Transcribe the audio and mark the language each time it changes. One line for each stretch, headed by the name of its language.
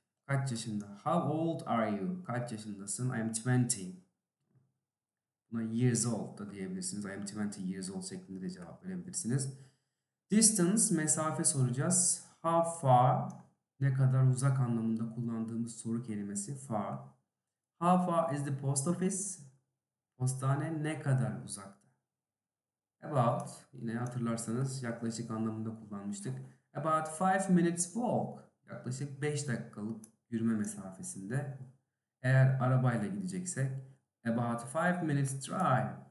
Turkish: Kaç yaşında?
English: How old are you?
Turkish: Kaç yaşındasın?
English: I am 20.
Turkish: Buna years old da diyebilirsiniz.
English: I am 20 years old
Turkish: şeklinde de cevap verebilirsiniz. Distance, mesafe soracağız.
English: How far?
Turkish: Ne kadar uzak anlamında kullandığımız soru kelimesi far.
English: How far is the post office?
Turkish: Postane ne kadar uzakta? About, yine hatırlarsanız yaklaşık anlamında kullanmıştık.
English: About 5 minutes walk.
Turkish: Yaklaşık 5 dakikalık yürüme mesafesinde. Eğer arabayla gideceksek
English: about 5 minutes drive.